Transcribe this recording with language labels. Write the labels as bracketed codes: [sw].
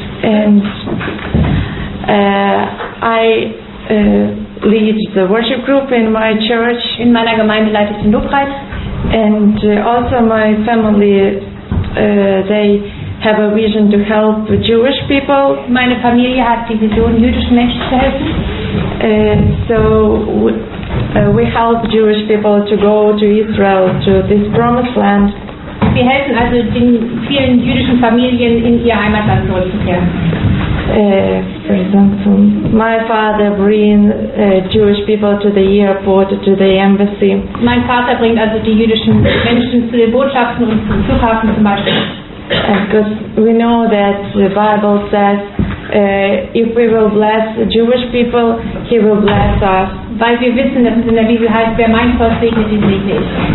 [en] And I lead the worship group in my church. [de] In meiner Gemeinde leite ich den Lobpreis. [en] And also my family, they have a vision to help Jewish people. [de] Meine Familie hat die Vision, jüdischen Menschen zu helfen. [en] So we help Jewish people to go to Israel, to this promised land. [de] Wir helfen also den vielen jüdischen Familien in ihr Heimatland zurückzukehren. [en] For example, my father brings Jewish people to the airport, to the embassy. [de] Mein Vater bringt also die jüdischen Menschen zu den Botschaften und zum Flughafen zum Beispiel. [en] Because we know that the Bible says if we will bless the Jewish people, he will bless us. [de] Weil wir wissen, dass es in der Bibel heißt, wer mein Volk segnet, den segne ich.